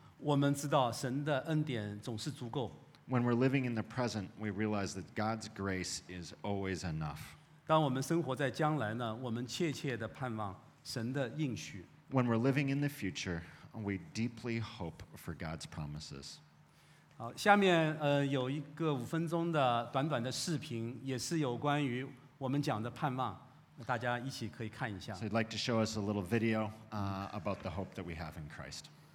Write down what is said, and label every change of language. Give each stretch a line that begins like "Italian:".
Chinese: 当我们生活在当下,我们知道神的恩典总是足够。
English: When we're living in the present, we realize that God's grace is always enough.
Chinese: 当我们生活在将来呢,我们切切地盼望神的应许。
English: When we're living in the future, we deeply hope for God's promises.
Chinese: 好,下面有一个5分钟的短短的视频,也是有关于我们讲的盼望。
English: So I'd like to show us a little video about the hope that we have in Christ.